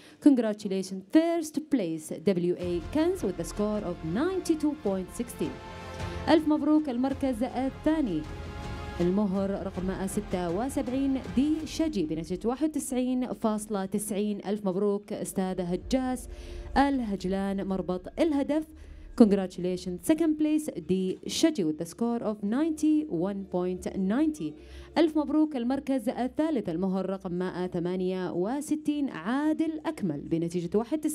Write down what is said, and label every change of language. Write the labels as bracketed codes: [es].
[en] Congratulations, first place WA Kanz with a score of 92.60. [ar] ألف مبروك المركز الثاني المهر رقم 176 دي شجي بنتيجة 91.90. ألف مبروك أستاذ هجاس الهجلان مربط الهدف. [en] Congratulations, second place دي شجي with the score of 91.90. [ar] ألف مبروك المركز الثالث المهر رقم 168 عادل أكمل بنتيجة 91.60.